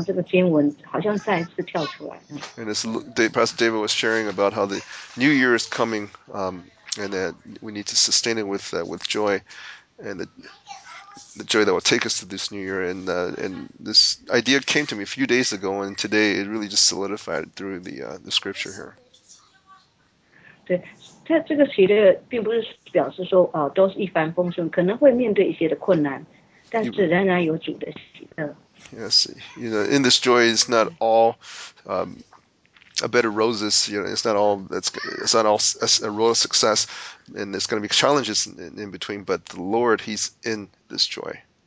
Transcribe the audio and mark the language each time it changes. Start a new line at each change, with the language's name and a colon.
Chinese: 刚才刚好那个李德牧师就分享关于那个新的一年喜乐的部分哈，哎，我觉得好像神已经也是在，其实在前几天神就有收到这个部分，那今天早上这个经文好像再次跳出来。
English: And this, Pastor David was sharing about how the New Year is coming. And that we need to sustain it with joy, and the joy that will take us to this new year. And this idea came to me a few days ago, and today it really just solidified through the scripture here.
Chinese: 对，他这个喜乐并不是表示说都是一帆风顺，可能会面对一些的困难，但是仍然有主的喜乐。Yes,
English: you know, in this joy is not all. A bed of roses, you know, it's not all a royal success, and there's going to be challenges in between. But the Lord, He's in this joy.